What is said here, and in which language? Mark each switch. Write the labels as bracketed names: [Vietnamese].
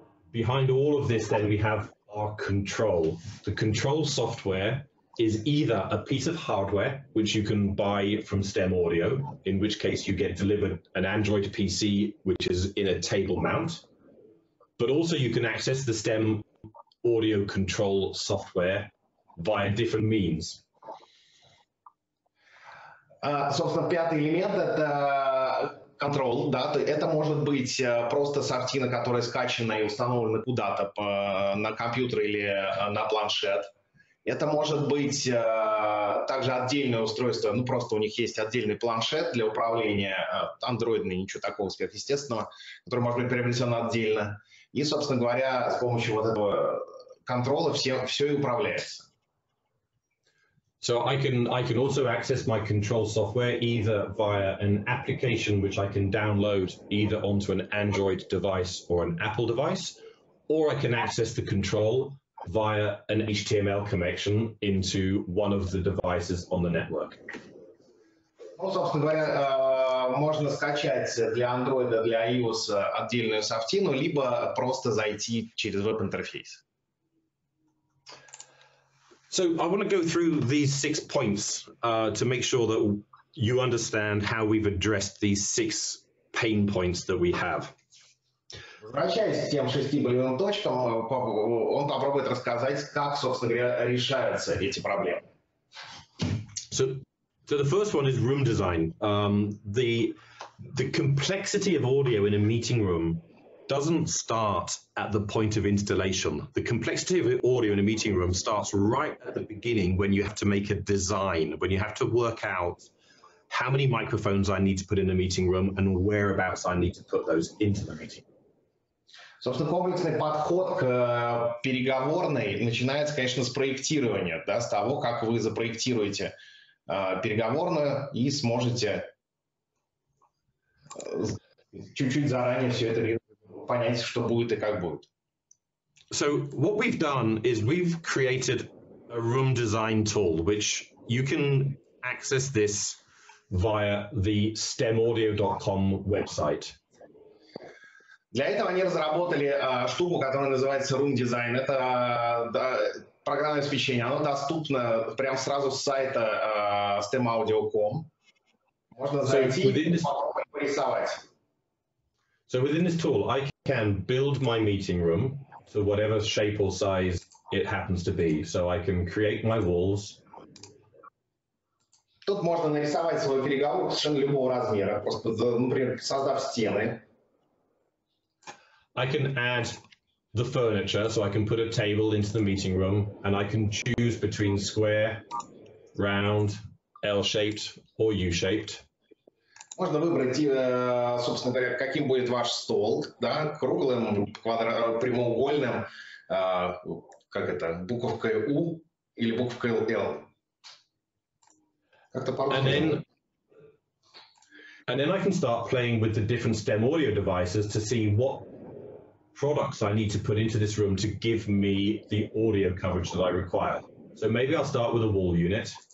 [English] Behind all of this then we have our control. The control software is either a piece of hardware which you can buy from StemAudio, in which case you get delivered an Android PC which is in a table mount, but also you can access the StemAudio control software via different means. [Russian] Собственно, пятый элемент – это control, да, то это может быть просто сортина, которая скачана и установлена куда-то на компьютер или на планшет. Это может быть также отдельное устройство, ну просто у них есть отдельный планшет для управления, андроидный, ничего такого сверхъестественного, который может быть приобретен отдельно. И, собственно говоря, с помощью вот этого контрола все и управляется. [English] So I can also access my control software either via an application which I can download either onto an Android device or an Apple device, or I can access the control via an HTML connection into one of the devices on the network. [Russian] Ну, собственно говоря, можно скачать для Android, для iOS отдельную софтину, либо просто зайти через веб-интерфейс. [English] So I want to go through these six points to make sure that you understand how we've addressed these six pain points that we have. [Russian] Возвращаясь к тем шести болевым точкам, он попробует рассказать, как, собственно говоря, решаются эти проблемы. [English] So the first one is room design. The complexity of audio in a meeting room doesn't start at the point of installation. The complexity of audio in a meeting room starts right at the beginning when you have to make a design, when you have to work out how many microphones I need to put in a meeting room and whereabouts I need to put those into the meeting. [Russian] Собственно, комплексный подход к переговорной начинается, конечно, с проектирования, да, с того, как вы запроектируете переговорную и сможете чуть-чуть заранее все это понять, что будет и как будет. [English] So what we've done is we've created a room design tool, which you can access this via the stemaudio.com website. [Russian] Для этого они разработали штуку, которая называется room design. Это программное обеспечение. Оно доступно прямо сразу с сайта stemaudio.com. Можно зайти и попробовать порисовать. [English] So within this tool, I can build my meeting room to whatever shape or size it happens to be. So I can create my walls. [Russian] Тут можно нарисовать свой переговорник совершенно любого размера, просто, например, создав стены. [English] I can add the furniture, so I can put a table into the meeting room, and I can choose between square, round, L-shaped, or U-shaped. [Russian] Можно выбрать, собственно говоря, каким будет ваш стол, да, круглым, прямоугольным, как это, буковкой U или буковкой L. Как-то по-русски. [English] And then I can start playing with the different STEM audio devices to see what products I need to put into this room to give me the audio coverage that I require. So maybe I'll start with a wall unit.